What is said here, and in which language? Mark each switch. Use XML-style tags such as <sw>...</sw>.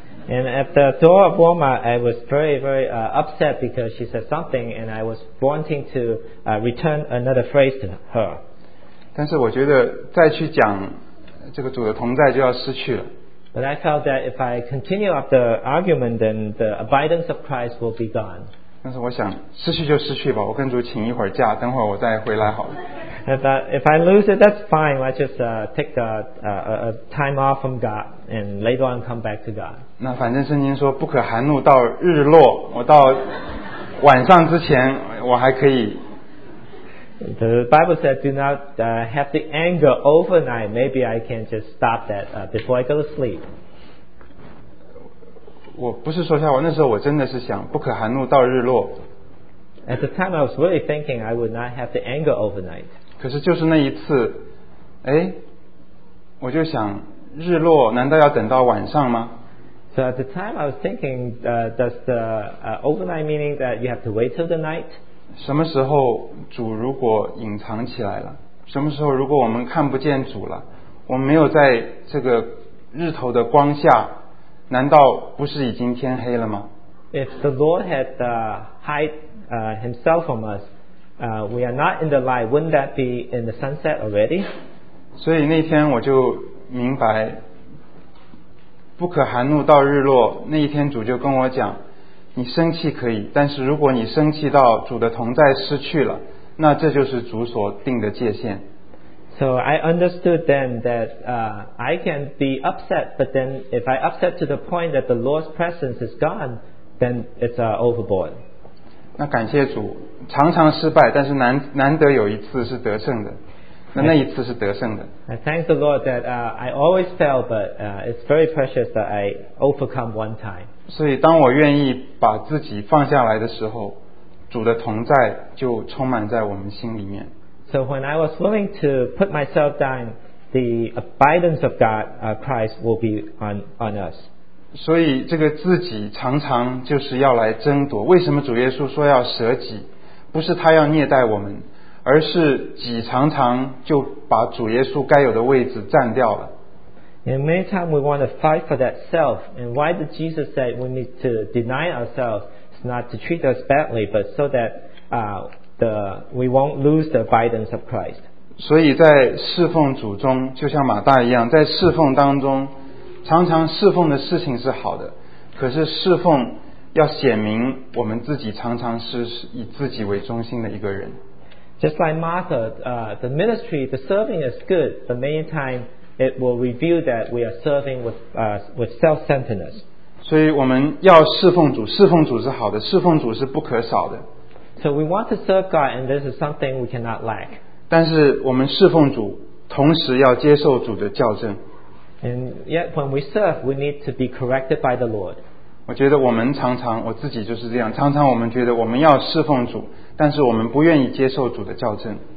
<en>And at the door of Walmart, I was very, very upset because she said something, and I was wanting to return another phrase to her.</en> <zh>但是我觉得再去讲这个主的同在就要失去了。</zh> <en>But I felt that if I continue up the argument, then the abidance of Christ will be gone.</en> <zh>但是我想失去就失去吧，我跟主请一会儿假，等会儿我再回来好了。</zh> <en>If I lose it, that's fine. I just take a time off from God and later on come back to God.</en> <zh>那反正圣经说不可含怒到日落，我到晚上之前我还可以。</zh> <en>The Bible said, "Do not have the anger overnight. Maybe I can just stop that before I go to sleep."</en> <zh>我不是说笑话，那时候我真的是想不可含怒到日落。</zh> <en>At the time, I was really thinking I would not have the anger overnight.</en> <zh>可是就是那一次，哎，我就想日落难道要等到晚上吗？</zh> <en>So at the time, I was thinking, does the overnight meaning that you have to wait till the night?</en> <zh>什么时候主如果隐藏起来了？什么时候如果我们看不见主了，我们没有在这个日头的光下，难道不是已经天黑了吗？</zh> <en>If the Lord had hide himself from us, we are not in the light, wouldn't that be in the sunset already?</en> <zh>所以那天我就明白不可含怒到日落，那一天主就跟我讲，你生气可以，但是如果你生气到主的同在失去了，那这就是主所定的界限。</zh> <en>So I understood then that I can be upset, but then if I upset to the point that the Lord's presence is gone, then it's overboard.</en> <zh>那感谢主，常常失败，但是难得有一次是得胜的。那一次是得胜的。</zh> <en>I thank the Lord that I always fail, but it's very precious that I overcome one time.</en> <zh>所以当我愿意把自己放下来的时候，主的同在就充满在我们心里面。</zh> <en>So when I was willing to put myself down, the abundance of God, Christ will be on us.</en> <zh>所以这个自己常常就是要来争夺。为什么主耶稣说要舍己？不是他要虐待我们，而是己常常就把主耶稣该有的位置占掉了。</zh> <en>And many times we want to fight for that self. And why did Jesus say we need to deny ourselves? It's not to treat us badly, but so that we won't lose the abundance of Christ.</en> <zh>所以在侍奉主中，就像马大一样，在侍奉当中，常常侍奉的事情是好的，可是侍奉要显明我们自己常常是以自己为中心的一个人。</zh> <en>Just like Martha, the ministry, the serving is good, but many times it will reveal that we are serving with self-centeredness.</en> <zh>所以我们要侍奉主，侍奉主是好的，侍奉主是不可少的。</zh> <en>So we want to serve God, and this is something we cannot lack.</en> <zh>但是我们侍奉主，同时要接受主的教正。</zh> <en>And yet when we serve, we need to be corrected by the Lord.</en> <zh>我觉得我们常常，我自己就是这样，常常我们觉得我们要侍奉主，但是我们不愿意接受主的教正。</zh>